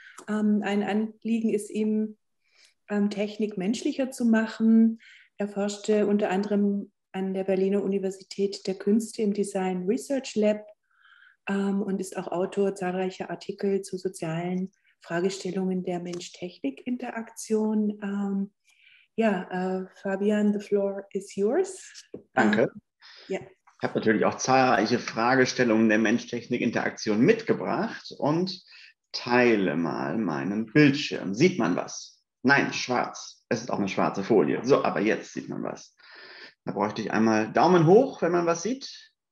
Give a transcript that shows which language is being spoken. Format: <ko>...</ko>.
<de>Ein Anliegen ist ihm, Technik menschlicher zu machen. Er forschte unter anderem an der Berliner Universität der Künste im Design Research Lab und ist auch Autor zahlreicher Artikel zu sozialen Fragestellungen der Mensch-Technik-Interaktion.</de> <en>Fabian, the floor is yours.</en> <de>Danke. Ich habe natürlich auch zahlreiche Fragestellungen der Mensch-Technik-Interaktion mitgebracht und teile mal meinen Bildschirm. Sieht man was? Nein, schwarz. Es ist auch eine schwarze Folie. So, aber jetzt sieht man was. Da bräuchte ich einmal Daumen hoch, wenn man was sieht.</de>